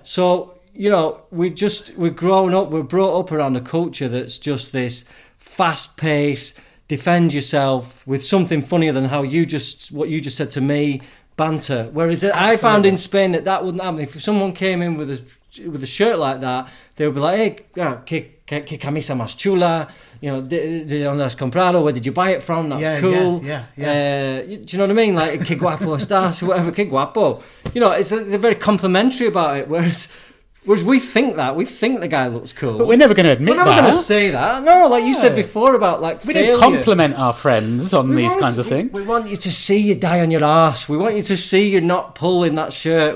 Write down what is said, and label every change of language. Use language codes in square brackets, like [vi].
[en] So, you know, we're grown up, we're brought up around a culture that's just this fast pace, defend yourself with something funnier than what you just said to me, banter. Whereas I found in Spain that wouldn't happen. If someone came in with a shirt like that, they would be like, hey, qué camisa más chula, you know, ¿de dónde has comprado? Where did you buy it from? That's cool. Do you know what I mean? [es] Like, qué guapo estás, whatever, qué guapo. [en] You know, they're very complimentary about it, whereas we think that. We think the guy looks cool. But we're never going to admit that. We're never going to say that. No, like you said before about like failure. We don't compliment our friends on these kinds of things. We want you to see you die on your arse. We want you to see you not pulling that shirt.